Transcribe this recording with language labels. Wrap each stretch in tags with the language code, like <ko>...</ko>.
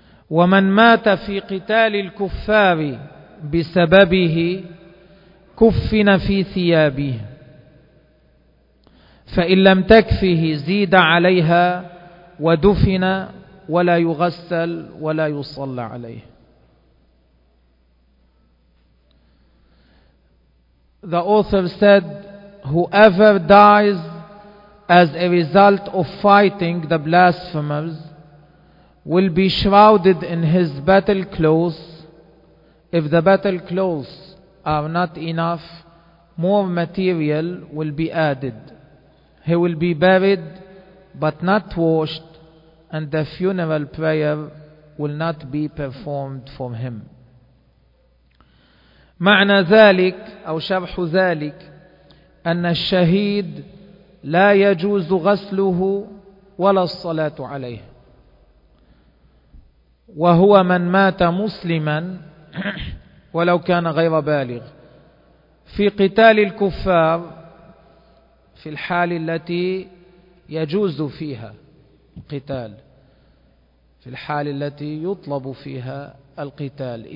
<ar>ومن مات في قتال الكفار بسببه كفن في ثيابه فإن لم تكفه زيد عليها ودفن ولا يغسل ولا يصلى عليه.</ar> <en>The author said, whoever dies as a result of fighting the blasphemers will be shrouded in his battle clothes. If the battle clothes are not enough, more material will be added. He will be buried but not washed, and the funeral prayer will not be performed for him.</en> <ar>معنى ذلك أو شرح ذلك أن الشهيد لا يجوز غسله ولا الصلاة عليه، وهو من مات مسلما ولو كان غير بالغ في قتال الكفار في الحال التي يجوز فيها القتال، في الحال التي يطلب فيها القتال.</ar>